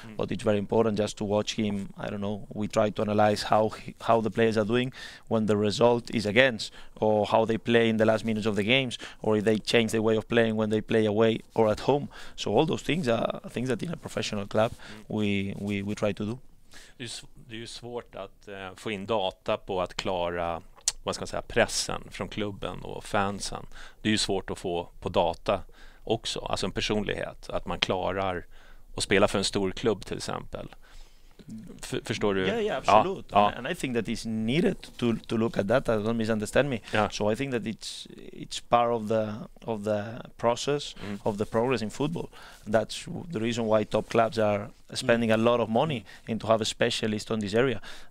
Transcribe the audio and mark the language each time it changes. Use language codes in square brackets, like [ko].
[en] But it's very important just to watch him. I don't know, we try to analyze how the players are doing when the result is against, or how they play in the last minutes of the games, or if they change their way of playing when they play away or at home. So all those things are things that in a professional club we try to do. [sv] Det är ju svårt att få in data på att klara, vad ska man säga, pressen från klubben och fansen. Det är ju svårt att få på data också, alltså en personlighet, att man klarar att spela för en stor klubb till exempel. Förstår du? [en] Yeah, absolutely. Yeah. And I think that it's needed to look at data. Don't misunderstand me. Yeah. So I think that it's part of the process of the progress in football. That's the reason why top clubs are spending a lot of money into have a specialist on this area.